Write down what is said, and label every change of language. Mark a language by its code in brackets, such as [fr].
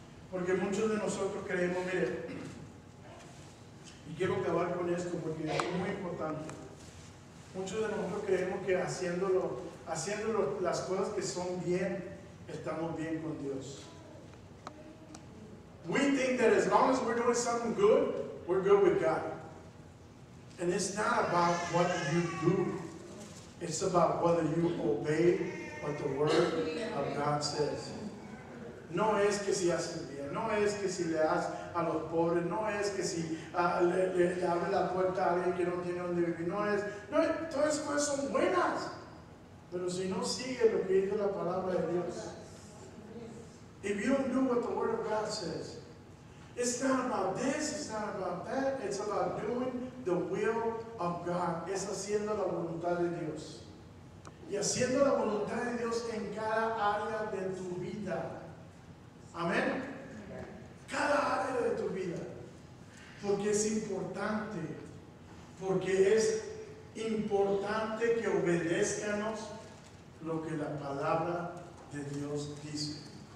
[es] Porque muchos de nosotros creemos, mire, y quiero acabar con esto porque es muy importante. Muchos de nosotros creemos que haciéndolo las cosas que son bien, estamos bien con Dios. [en] We think that as long as we're doing something good, we're good with God. And it's not about what you do. It's about whether you obey what the word of God says. [es] No es que si haces bien, no es que si le das a los pobres. No es que si le abre la puerta a alguien que no tiene donde vivir. No es. No, todas esas cosas son buenas. Pero si no sigue lo que dice la palabra de Dios. [en] If you don't do what the word of God says, it's not about this, it's not about that, it's about doing the will of God. [es] Es haciendo la voluntad de Dios. Y haciendo la voluntad de Dios en cada área de tu vida. Amén. Cada área de tu vida. Porque es importante. Porque es importante que obedezcamos lo que la palabra de Dios dice.